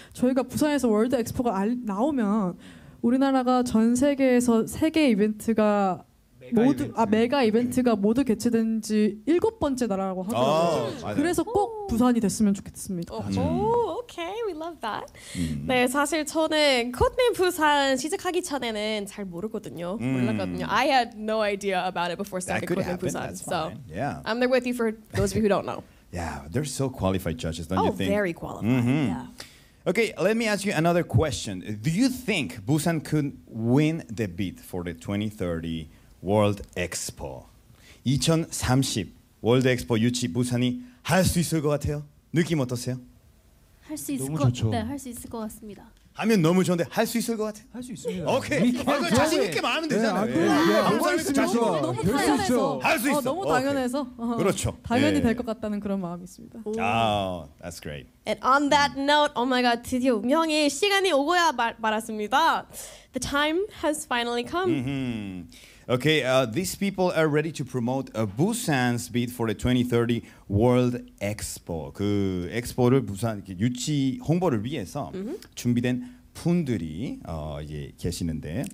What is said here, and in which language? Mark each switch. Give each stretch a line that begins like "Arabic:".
Korean: 저희가 부산에서 월드 엑스포가 나오면 우리나라가 전 세계에서 세계 이벤트가 모두 이벤트. 아 메가 이벤트가 모두 개최된 지 일곱 번째 나라라고 하더라고요. 아, 그래서 꼭 오. 부산이 됐으면 좋겠습니다.
English: 오, 오케이. We love that.
Korean: 네, 사실 저는 코드네임 부산 시작하기 전에는 잘 모르거든요. 몰랐거든요.
English: I had no idea about it before starting Codename Busan. That's fine. So, yeah. I'm there with you for those of you who don't know. Yeah, they're so qualified judges, don't you think? Oh, very qualified. Mm-hmm. Yeah. Okay, let me ask you another question. Do you think Busan could win the bid for the 2030 World Expo?
Korean: 2030 World Expo 유치 부산이 할 수 있을 것 같아요? 느낌 어떠세요? 할 수 있을 것 같아요. 네, 할 수 있을 것 같습니다. 하면 너무 좋은데 할 수 있을 것 같아요? 할 수 있습니다. 오케이. 아, 그 자신 있게 말하면 되잖아요. 네, 아, 그럼, 한 사람이 자신 있게 너무 당연해서. 할 수 있어. 너무 당연해서. 그렇죠. 당연히 될 것 같다는 그런 마음이 있습니다.
English: Oh, that's great. And on that note, oh my god,
Korean: 드디어 운명의 시간이 오고야 말았습니다.
English: The time has finally come. Okay, these people are ready to promote Busan's bid for the 2030 World Expo.
Korean: 그 엑스포를 부산 유치 홍보를 위해서 준비된 분들이 예, 계시는데.